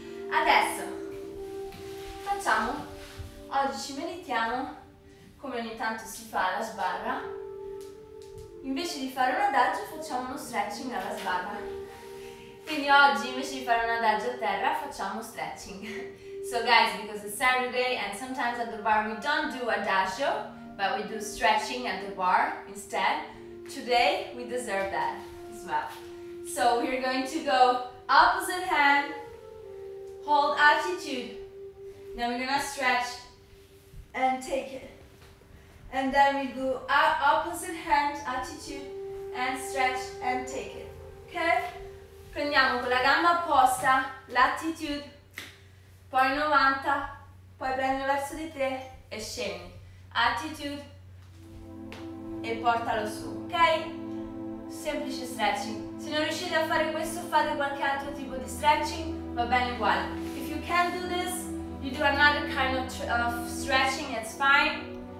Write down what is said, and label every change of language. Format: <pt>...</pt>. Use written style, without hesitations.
<it>Adesso, facciamo, oggi ci meditiamo, come ogni tanto si fa alla sbarra. Invece di fare un adagio, facciamo uno stretching alla sbarra. Quindi oggi, invece di fare un adagio a terra, facciamo stretching.</it> <en>So guys, because it's Saturday and sometimes at the bar we don't do adagio, but we do stretching at the bar instead, today we deserve that as well. So we're going to go opposite hand, hold attitude, then we're gonna stretch and take it. And then we do opposite hand, attitude, and stretch and take it, okay?</en> <it>Prendiamo con la gamba opposta, l'attitude, poi 90, poi prendi verso di te e scendi. Attitude e portalo su, ok? Semplice stretching. Se non riuscite a fare questo, fate qualche altro tipo di stretching, va bene uguale.</it> <en>If you can't do this, you do another kind of stretching, it's fine.</en>